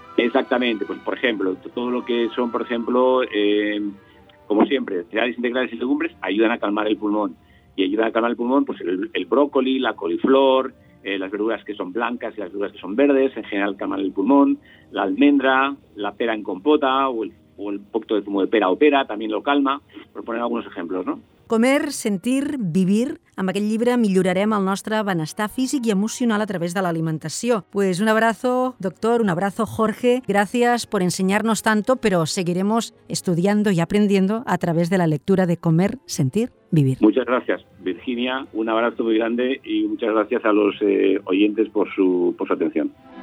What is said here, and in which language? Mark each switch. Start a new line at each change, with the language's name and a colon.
Spanish: Exactamente, pues por ejemplo, todo lo que son, por ejemplo, como siempre, cereales integrales y legumbres ayudan a calmar el pulmón. Y ayudan a calmar el pulmón, pues el brócoli, la coliflor, las verduras que son blancas y las verduras que son verdes, en general calman el pulmón, la almendra, la pera en compota o el poco de zumo de pera o pera también lo calma, por poner algunos ejemplos, ¿no? Comer, sentir, vivir.
Catalan: Amb aquest llibre millorarem el nostre benestar físic i emocional a través de l'alimentació.
Spanish: Pues un abrazo, doctor, un abrazo, Jorge. Gracias por enseñarnos tanto, pero seguiremos estudiando y aprendiendo a través de la lectura de Comer, Sentir, Vivir. Muchas gracias, Virginia. Un abrazo muy grande y muchas gracias a los oyentes por su atención.